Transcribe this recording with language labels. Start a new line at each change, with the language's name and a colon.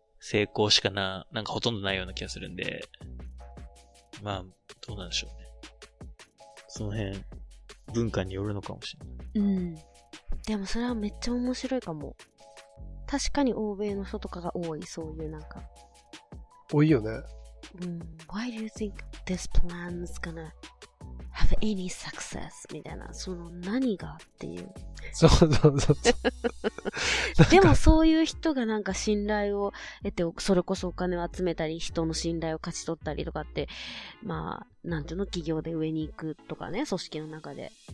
Japanese: 成功しかな、なんかほとんどないような気がするんで。まあ、どうなんでしょうね。その辺、文化によるのかもしれない。うん。でもそれはめっちゃ面白いかも。確かに欧米の人とかが多い、そういうなんか。多いよね。うん。
English: Why do you think this plan's gonna have any success?
Japanese: みたいな、その何がっていう。そうそうそう。でもそういう人がなんか信頼を得て、それこそお金を集めたり、人の信頼を勝ち取ったりとかって、まあ、なんていうの、企業で上に行くとかね、組織の中で。